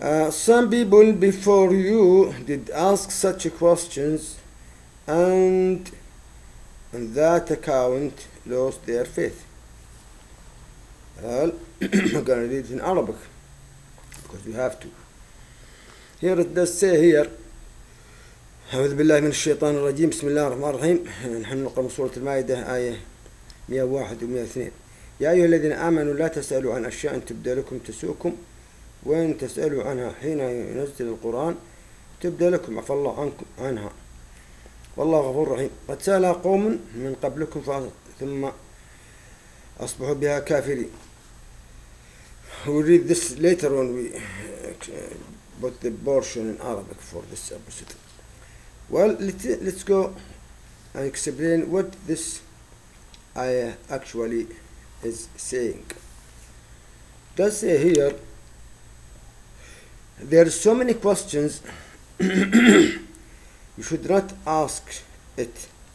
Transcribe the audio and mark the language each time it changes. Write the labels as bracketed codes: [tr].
[en] Some people before you did ask such questions, and on that account lost their faith. Well, I'm going to read it in Arabic, because we have to. Here it does say here, [ar] أعوذ بالله من الشيطان الرجيم, بسم الله الرحمن الرحيم, نحن نقرأ سورة المائدة آية 101 و 102. يا أيها الذين آمنوا لا تسألوا عن أشياء تبدأ لكم تسؤكم, وإن تسألوا عنها حين ينزل القرآن تبدأ لكم عفى الله عنكم عنها, والله غفور رحيم. قد سألها قوم من قبلكم ثم أصبحوا بها كافرين. [en] We'll read this later when we put the portion in Arabic for this episode. Well, let's go and explain what this ayah actually is saying. It does say here, there are so many questions, you should not ask it.